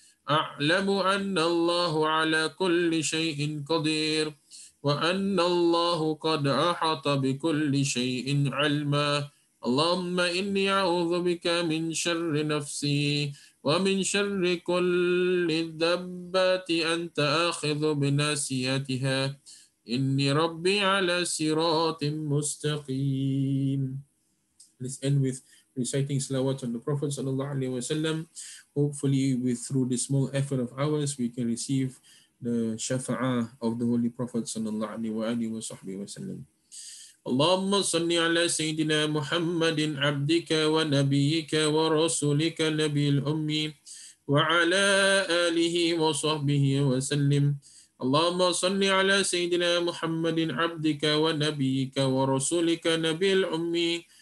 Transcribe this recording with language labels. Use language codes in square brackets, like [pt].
[ar] أعلم أن الله على كل شيء قدير وأن الله قد أحاط بكل شيء علما اللهم إني أعوذ بك من شر نفسي ومن شر كل دابة أنت آخذ بناصيتها إني ربي على صراط مستقيم. [en] Let's end with reciting salawat on the Prophet sallallahu alaihi wasallam. Hopefully, with through this small effort of ours, we can receive the shafa'a of the Holy Prophet sallallahu alaihi wasallam. [ar] اللهم صل على سيدنا محمد عبدك ونبيك ورسولك النبي الأمي وعلى آله وصحبه وسلم اللهم صل على سيدنا محمد عبدك ونبيك ورسولك النبي الأمي